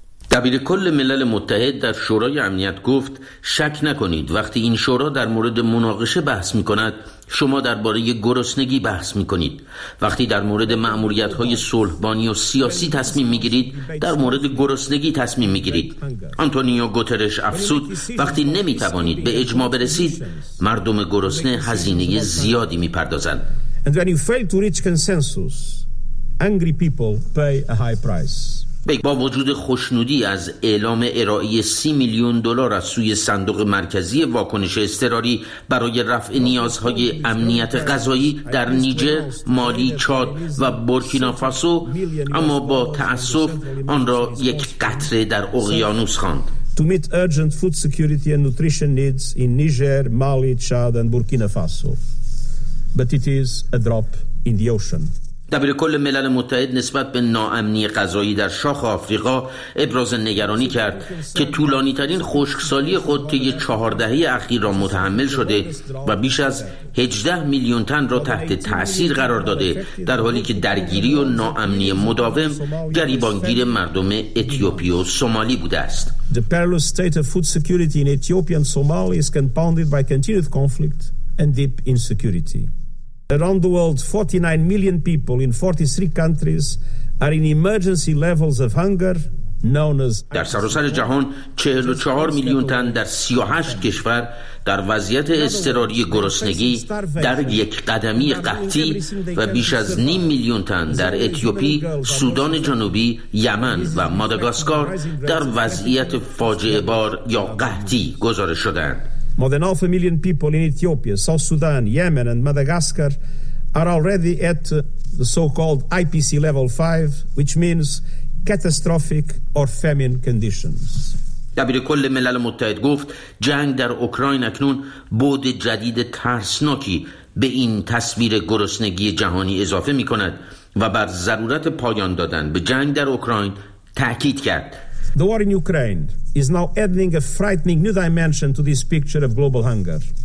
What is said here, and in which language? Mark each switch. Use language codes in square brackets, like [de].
[fa] دبیر کل ملل متحد در شورای امنیت گفت شک نکنید وقتی این شورا در مورد مناقشه بحث می کند، شما درباره گرسنگی بحث می کنید. وقتی در مورد مأموریت های صلح‌بانی و سیاسی تصمیم می گیرید، در مورد گرسنگی تصمیم می گیرید. آنتونیو گوترش افسود وقتی نمی توانید به اجماع برسید، مردم گرسنه هزینه زیادی می پردازند. [en] And when you fail to reach consensus, angry people pay a high price. [fa] با وجود خوشنودی از اعلام ارائه 30 میلیون دلار از سوی صندوق مرکزی واکنش اضطراری برای رفع نیازهای امنیت غذایی در نیجر، مالی، چاد و بورکینافاسو، اما با تأسف آن را یک قطره در اقیانوس خواند. [en] To meet urgent food security and nutrition needs in Niger, Mali, Chad and Burkina Faso. but it is a drop in the ocean. [fa] دبیر کل ملل متحد نسبت به ناامنی غذایی در شاخ آفریقا ابراز نگرانی کرد که طولانی ترین خشکسالی خود طی 14 دهه اخیر را متحمل شده و بیش از 18 میلیون تن را تحت تأثیر قرار داده، در حالی که درگیری و ناامنی مداوم گریبانگیر مردم اتیوپی و سومالی بوده است. [en] The perilous state of food security in Ethiopia and Somalia is compounded by continued conflict and deep insecurity. Around the world, 49 million people in 43 countries are in emergency levels of hunger, known as. [fa] در سراسر جهان 44 میلیون تن در 38 کشور در وضعیت اضطراری گرسنگی، در یک قدمی قحطی و بیش از 500,000 تن در اتیوپی، سودان جنوبی، یمن و ماداگاسکار در وضعیت فاجعه بار یا قحطی گزارش شدند. [en] More than 500,000 people in Ethiopia, South Sudan, Yemen and Madagascar are already at the so-called IPC level 5, which means catastrophic or famine conditions. [fa] دبیر کل ملل متحد گفت جنگ در اوکراین اکنون بُعد جدید ترسناکی به این تصویر گرسنگی جهانی اضافه می‌کند و بر ضرورت پایان دادن به جنگ در اوکراین تأکید کرد. [en] The war in Ukraine is now adding a frightening new dimension to this picture of global hunger.